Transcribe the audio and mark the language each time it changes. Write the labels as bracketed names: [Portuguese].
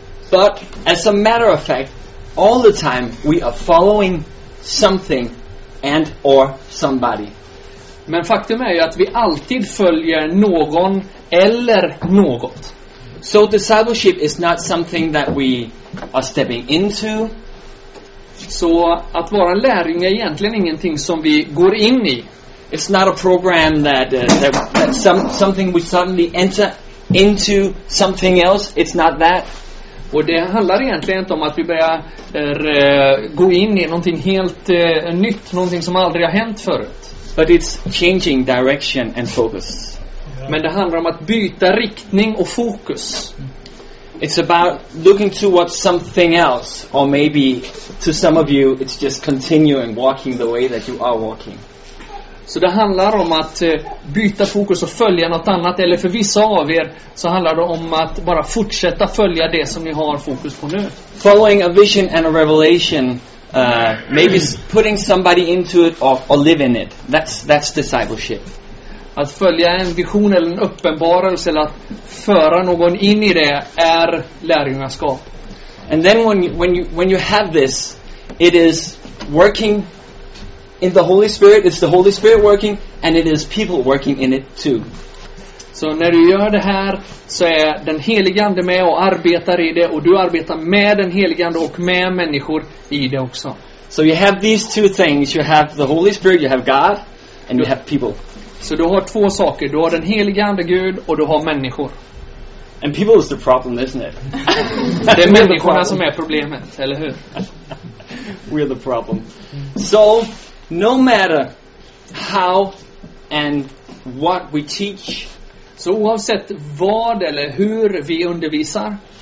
[English] But as a matter of fact, all the time we are following something and or somebody. [Swedish] Men faktum är ju att vi alltid följer någon eller något. [English] So discipleship is not something that we are stepping into. [Swedish] Så att vara en lärjunge är egentligen ingenting som vi går in i. [English] It's not a program that something we suddenly enter into something else. It's not that. [Swedish] Och det handlar egentligen inte om att vi börjar gå in i någonting helt nytt, någonting som aldrig har hänt förut. [English] But it's changing direction and focus. [Swedish] Men det handlar om att byta riktning och fokus. [English] It's about looking towards something else, or maybe to some of you it's just continuing walking the way that you are walking. [Swedish] Så det handlar om att byta fokus och följa något annat, eller för vissa av er så handlar det om att bara fortsätta följa det som ni har fokus på nu. [English] Following a vision and a revelation, maybe putting somebody into it or live in it. That's discipleship. [Swedish] Att följa en vision eller en uppenbarelse, eller att föra någon in i det, är lärjungaskap. [English] And then when you have this, it is working in the Holy Spirit. It's the Holy Spirit working, and it is people working in it too. [Swedish] Så när du gör det här så är den helige ande med och arbetar i det, och du arbetar med den helige ande och med människor i det också. [English] So you have these two things. You have the Holy Spirit, you have God, and you have people. [Swedish] Så du har två saker. Du har den helige ande Gud och du har människor. [English] And people is the problem, isn't it? [Swedish] Det är människorna som är problemet, eller hur? [English] We are the problem. So, no matter how and what we teach. [Swedish] Så oavsett vad eller hur vi undervisar.